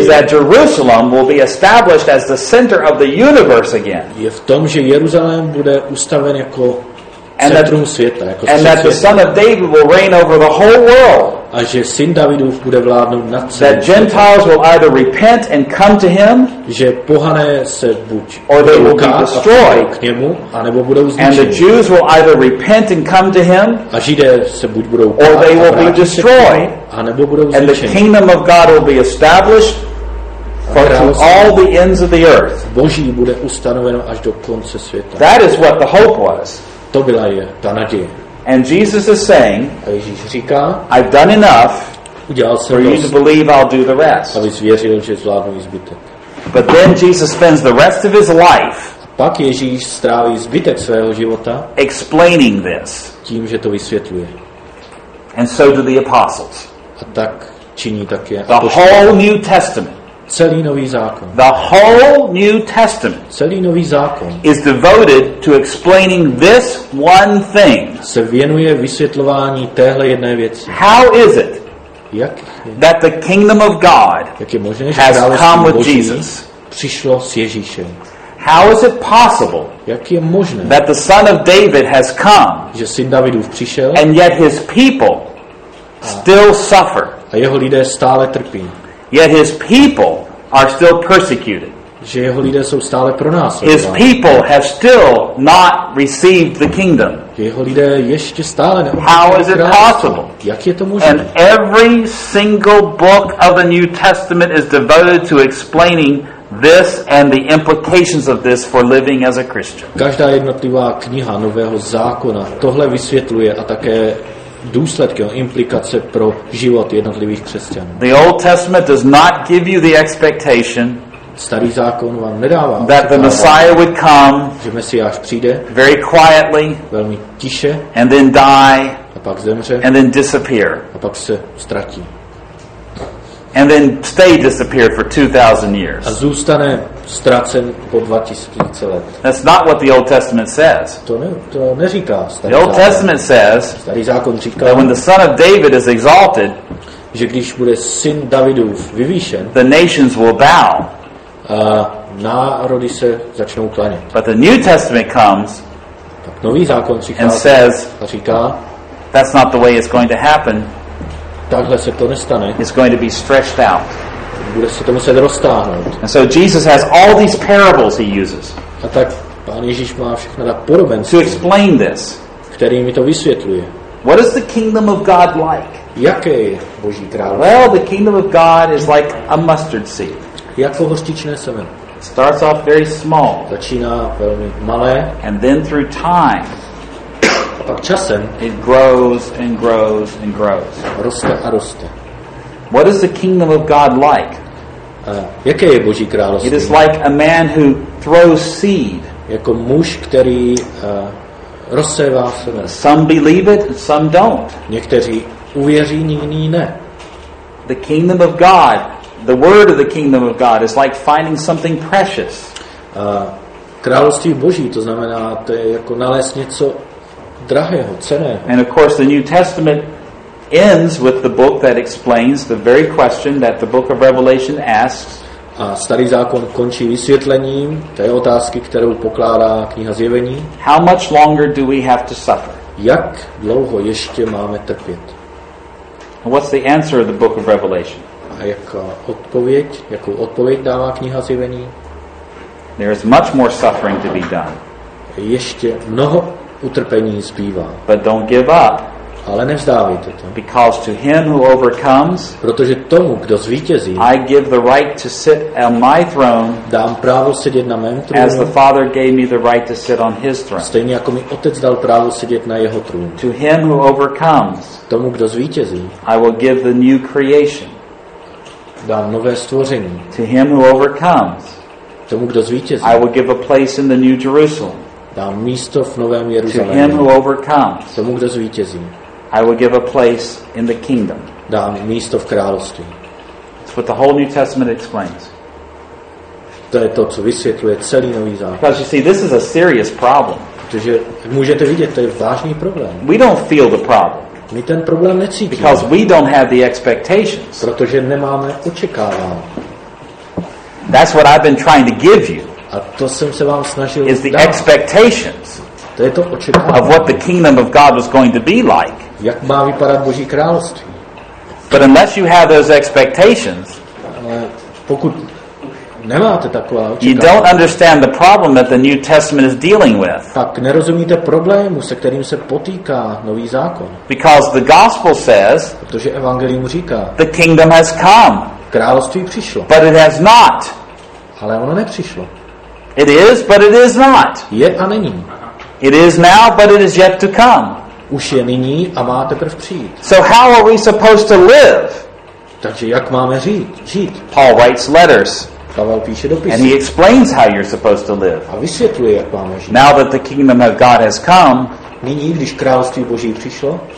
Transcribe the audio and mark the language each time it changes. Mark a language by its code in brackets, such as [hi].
[en] is that Jerusalem will be established as the center of the universe again. [cs] Je v tom, že Jeruzalém bude ustaven jako centrum světa, jako [en] and that the son of David will reign over the whole world. [cs] A že syn Davidův bude vládnout nad celým. [en] That Gentiles will either repent and come to him, [cs] že pohané se buď [en] or they will be destroyed, [cs] k němu, anebo budou zničeni. [en] And the Jews will either repent and come to him, [cs] a Židé se buď budou [en] or they will be destroyed, [cs] anebo budou zničeni. [en] And the kingdom of God will be established for to all the ends of the earth. [cs] Boží bude ustanoveno až do konce světa. [en] That is what the hope was. [cs] To byla je ta naděje. [en] And Jesus is saying, [cs] a Ježíš říká, [en] I've done enough, [cs] udělal jsem [en] for [cs] dost, [en] you to believe I'll do the rest. [cs] Abys věřil, že zvládnu i zbytek. [en] But then Jesus spends the rest of his life, [cs] pak Ježíš stráví zbytek svého života, [en] explaining this, [cs] tím, že to vysvětluje. [en] And so do the apostles. [cs] A tak činí také [en] the whole New Testament. [cs] Celý nový zákon. [en] The whole New Testament. [cs] Celý nový zákon. [en] Is devoted to explaining this one thing. [cs] Se věnuje vysvětlování téhle jedné věci. [en] How is it? [cs] Jak? [en] That the kingdom of God, [cs] jak je možné, [en] has [cs] že království [en] come with [cs] Boží [en] Jesus? [cs] Přišlo s Ježíšem. [en] How is it possible? [cs] Jak je možné, [en] that the son of David has come, [cs] že syn Davidův přišel, [en] and yet his people still suffer. [cs] A jeho lidé stále trpí. [en] Yet his people are still persecuted. [cs] Že jeho lidé jsou stále pronásledováni. [en] His people have still not received the kingdom. [cs] Jeho lidé ještě stále neobdrželi. [en] How is it possible? [cs] Jak je to možné? [en] And every single book of the New Testament is devoted to explaining this and the implications of this for living as a Christian. [cs] Každá jednotlivá kniha Nového zákona tohle vysvětluje a také důsledky a implikace pro život jednotlivých křesťanů. [en] The Old Testament does not give you the expectation. [cs] starý zákon vám nedává. [en] That the Messiah would come, [cs] že Mesiáš přijde, [en] very quietly, [cs] velmi tiše, [en] and then die, [cs] a pak zemře, [en] and then disappear, [cs] a pak se ztratí. [en] And then stay disappeared for 2,000 years. [cs] A zůstane ztracen po 2000 let. [en] That's not what the Old Testament says. [cs] To neříká starý. [en] The Old Testament says, [cs] starý zákon říká, [en] that when the Son of David is exalted, [cs] že když bude syn Davidův vyvýšen, [en] the nations will bow. [cs] Národy se začnou klanět. [en] But the New Testament comes, [cs] tak nový zákon přichází, [en] and says, [cs] a říká, [en] that's not the way it's going to happen. [cs] Takhle se to nestane. [en] It's going to be stretched out. [cs] Bude se to muset roztáhnout. [en] And so Jesus has all these parables he uses. [cs] A tak Pán Ježíš má všechna ta podobenství. [en] To explain this. [cs] Který mi to vysvětluje. [en] What is the kingdom of God like? [cs] Jaké je Boží království? [en] Well, the kingdom of God is like a mustard seed. [cs] Jako hořčičné semeno. [en] Starts off very small. [cs] Začíná velmi malé. [en] And then through time, [cs] pak časem, [en] it grows and grows and grows. [cs] Roste a roste. [en] What is the kingdom of God like? [cs] Jaké je Boží království? [en] It is like a man who throws seed. [cs] Jako muž, který rozsévá semeno. [en] Some believe it, some don't. [cs] Někteří uvěří, jiní ne. [en] The kingdom of God, the word of the kingdom of God is like finding something precious. [cs] Království Boží, to znamená, to je jako nalézt něco drahého, ceného. [en] And of course the New Testament ends with the book that explains the very question that the book of Revelation asks. [cs] A starý zákon končí vysvětlením té otázky, kterou pokládá kniha Zjevení. [en] How much longer do we have to suffer? [cs] Jak dlouho ještě máme trpět? [en] And what's the answer of the book of Revelation? [cs] A jakou odpověď dává kniha Zjevení? [en] There is much more suffering to be done. [cs] Ještě mnoho utrpení zbývá. [en] But don't give up. [cs] Ale nevzdávejte to. [en] Because to him who overcomes, [cs] protože tomu, kdo zvítězí, [en] I give the right to sit on my throne, [cs] dám právo sedět na mém trůnu, [en] as the Father gave me the right to sit on his throne. [cs] Stejně jako mi Otec dal právo sedět na jeho trůnu. [en] To him who overcomes, [cs] tomu, kdo zvítězí, [en] I will give the new creation, [cs] dám nové stvoření. [en] To him who overcomes, [cs] tomu, kdo zvítězí, [en] I will give a place in the new Jerusalem, [cs] dám místo v novém Jeruzalému. [en] To him who overcomes, [cs] tomu, kdo zvítězí, [en] I will give a place in the kingdom, [cs] dám místo v království. [en] That's what the whole New Testament explains. [cs] To je to, co vysvětluje celý nový zákon. [en] Because you see, this is a serious problem. [cs] Protože můžete vidět, to je vážný problém. [en] We don't feel the problem. [cs] My ten problém necítíme. [en] Because we don't have the expectations. [cs] Protože nemáme očekávání. [en] That's what I've been trying to give you. [cs] A to jsem se vám snažil [en] is the [cs] dát. [en] Expectations, [cs] to je to očekávání, [en] of what the kingdom of God was going to be like. [cs] Jak má vypadat Boží království. [en] But unless you have those expectations, [cs] pokud nemáte taková očekávání, [en] you don't understand the problem that the New Testament is dealing with. [cs] Tak nerozumíte problému, se kterým se potýká nový zákon. [en] Because the gospel says, [cs] protože evangelium říká, [en] the kingdom has come, [cs] království přišlo. [en] But it has not, [cs] ale ono nepřišlo. [en] It is, but it is not. [cs] Je a není. [en] It is now, but it is yet to come. [cs] Už je nyní a má teprve přijít. [en] So how are we supposed to live? [cs] Takže jak máme žít? [en] Paul writes letters. [cs] Pavel píše dopisy. [en] And he explains how you're supposed to live. [cs] A vysvětluje, jak máme žít. [en] Now that the kingdom of God has come, [cs] nyní, když království Boží přišlo,